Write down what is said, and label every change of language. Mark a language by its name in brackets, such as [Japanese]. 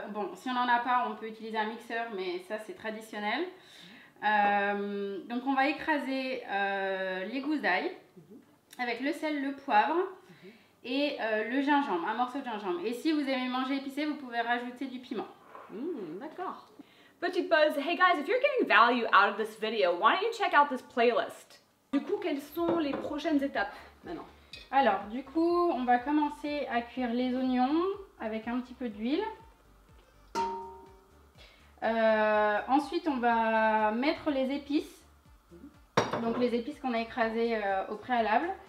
[French] Bon, si on n'en a pas, on peut utiliser un mixeur, mais ça, c'est traditionnel. Donc, on va écraser les gousses d'ail avec le sel, le poivre et le gingembre, un morceau de gingembre. Et si vous aimez manger épicé, vous pouvez rajouter du piment. D'accord. Petite pause. [English] Hey guys, if you're getting value out of this video, why don't you check out this playlist? [French] Du coup, quelles sont les prochaines étapes maintenant? Alors, du coup, on va commencer à cuire les oignons avec un petit peu d'huile. Ensuite on va mettre les épices, donc les épices qu'on a écrasées au préalable.